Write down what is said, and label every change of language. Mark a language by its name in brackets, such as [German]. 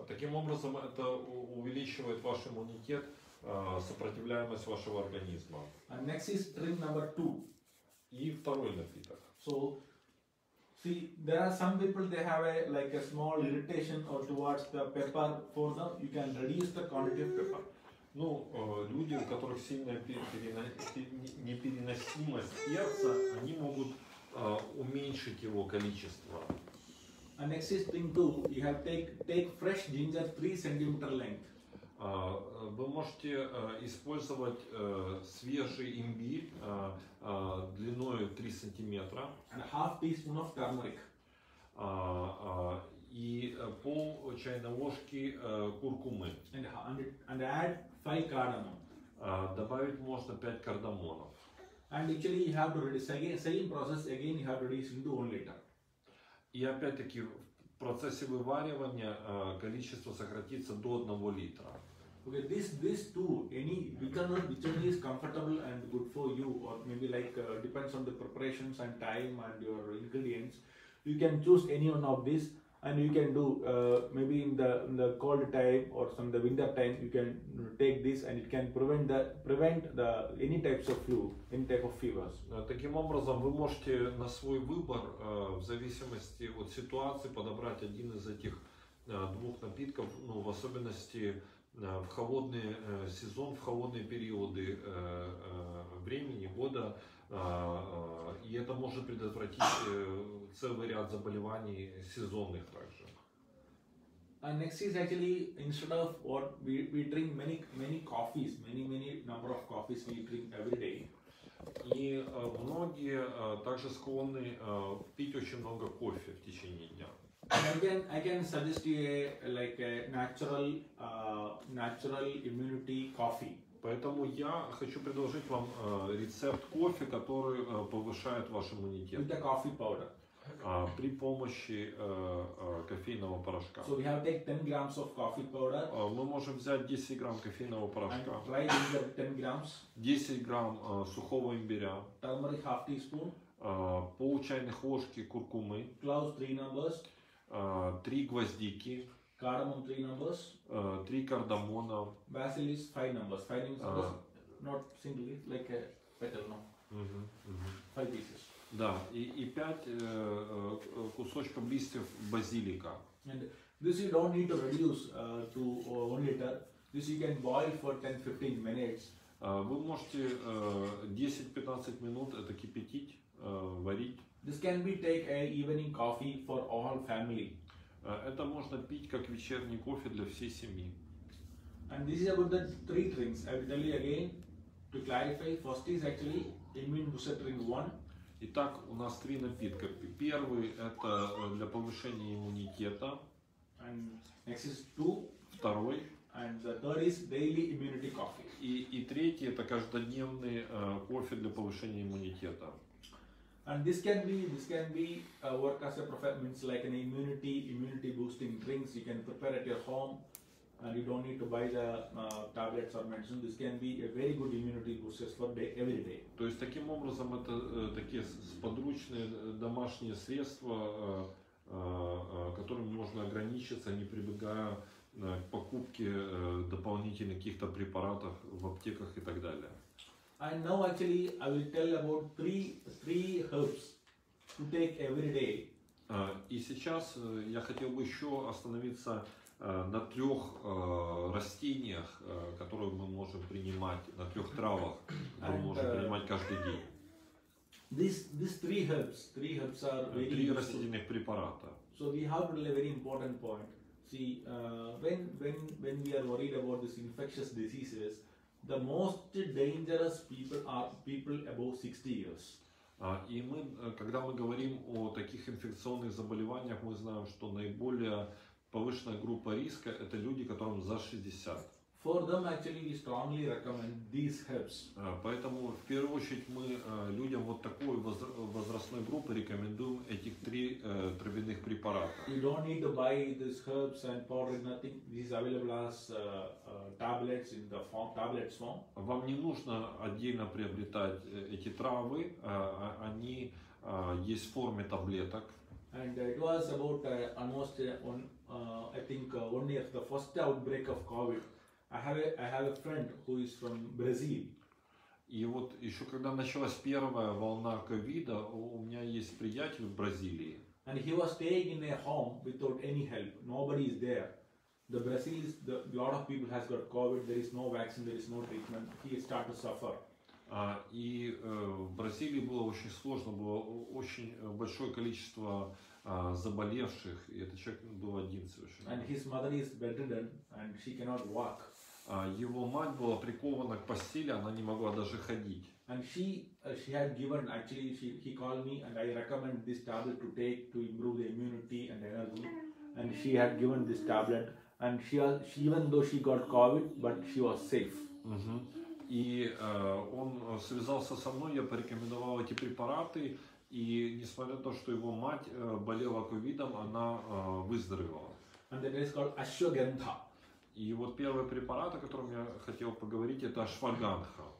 [Russian] Таким образом это увеличивает ваш иммунитет, сопротивляемость вашего организма. [English] And next is drink number 2. [Russian] И второй напиток. [English] So see, there are some people, they have a small irritation or towards the pepper. For them, you can reduce the quantity of pepper. [Russian] Ну, люди, у которых сильная непереносимость перца, они могут уменьшить его количество. [English] And next thing too, you have take fresh ginger 3 cm length. [Russian] Вы можете использовать свежий имбирь длиной 3 сантиметра. [English] And half teaspoon of turmeric. [Russian] И пол чайной ложки куркумы. [English] And add 5 cardamom. [Russian] Добавить можно 5 кардамонов. [English] And actually you have to reduce again, same process again you have to reduce into 1 liter. [Russian] И опять-таки в процессе вываривания количество сократится до 1 литра. [English] Okay, this too, any which one is comfortable and good for you, or maybe like depends on the preparations and time and your ingredients. You can choose any one of this, and you can do maybe in the cold time or some the winter time. You can take this, and it can prevent the any types of flu, any type of fevers. [Russian] Таким образом, вы можете на свой выбор, в зависимости от ситуации, подобрать один из этих двух напитков, ну в особенности в холодный сезон, в холодные периоды времени, года, и это может предотвратить целый ряд заболеваний сезонных также. [English] And next is actually, instead of what we drink many coffees, many number of coffees we drink every day. [Russian] И многие также склонны пить очень много кофе в течение дня. [English] I can suggest you a natural immunity coffee. [Russian] Поэтому я хочу предложить вам рецепт кофе, который повышает ваш иммунитет. [English] With the coffee powder. [Russian] При помощи кофейного порошка. [English] So we have take 10 grams of coffee powder. [Russian] Мы можем взять 10 грамм кофейного порошка. [English] And try to get 10 grams. [Russian] 10 грамм сухого имбиря. [English] Turmeric half teaspoon. [Russian] Пол чайных ложки куркумы. [English] Cloves 3 numbers. [Russian] Три гвоздики, [English] cardamom 3 numbers, [Russian] три кардамона, [English] basilis 5 numbers, not singly, like a petal, no. Five pieces. [Russian] Да, и 5 кусочков листьев базилика. [English] And this you don't need to reduce to 1 liter. This you can boil for 10-15 minutes. [Russian] Вы можете 10-15 минут это кипятить, варить. [English] This can be take a evening coffee for all family. [Russian] Это можно пить как вечерний кофе для всей семьи. [English] And this is about the three drinks. I will tell you again to clarify. First is actually immune booster drink 1. [Russian] Итак, у нас три напитка. Первый это для повышения иммунитета. [English] And next is 2. [Russian] Второй. [English] And the third is daily immunity coffee. [Russian] И третий это каждодневный кофе для повышения иммунитета. [English] And this can be work as a professional, means like an immunity boosting drinks. You can prepare at your home, and you don't need to buy the tablets or medicine. This can be a very good immunity booster for every day. [Russian] То есть таким образом это такие подручные домашние средства, которыми можно ограничиться, не прибегая к покупке дополнительных каких-то препаратов в аптеках и так далее. [English] And now actually I will tell about three herbs to take every day. [Russian] И сейчас я хотел бы еще остановиться на трех растениях, которые мы можем принимать, на трех травах, которые мы можем принимать каждый день. [English] These three herbs are very important. [Russian] Три растительных препарата. [English] So we have a very important point. See, when we are worried about these infectious diseases, the most dangerous people are people above 60 years. [Russian] И мы, когда мы говорим о таких инфекционных заболеваниях, мы знаем, что наиболее повышенная группа риска это люди, которым за 60. [English] For them, actually, we strongly recommend these herbs. [Russian] Поэтому в первую очередь мы людям вот такой возрастной группы рекомендуем этих три травяных препарата. [English] You don't need to buy these herbs and powder, nothing. This is available as tablets in the form, tablets form. [Russian] Вам не нужно отдельно приобретать эти травы, они есть в форме таблеток. [English] And it was about almost one year the first outbreak of COVID. I have a friend who is from Brazil. [Russian] И вот еще когда началась первая волна ковида, у меня есть приятель в Бразилии. [English] And he was staying in a home without any help. Nobody is there. The Brazil is the lot of people has got COVID. There is no vaccine. There is no treatment. He start to suffer. [Russian] И в Бразилии было очень сложно, было очень большое количество заболевших, и этот человек был один совершенно. [English] And his mother is bedridden, and she cannot walk. [Russian] Его мать была прикована к постели, она не могла даже ходить. [English] And she had given, actually, he called me and I recommend this tablet to take to improve the immunity and energy. And she had given this tablet. And she even though she got COVID, but she was safe. Uh-huh. [Russian] И он связался со мной, я порекомендовал эти препараты. И несмотря на то, что его мать болела ковидом, она выздоровела. [English] And the name is called Ashwagandha. [Russian] И вот первый препарат, о котором я хотел поговорить, это Ашваганха.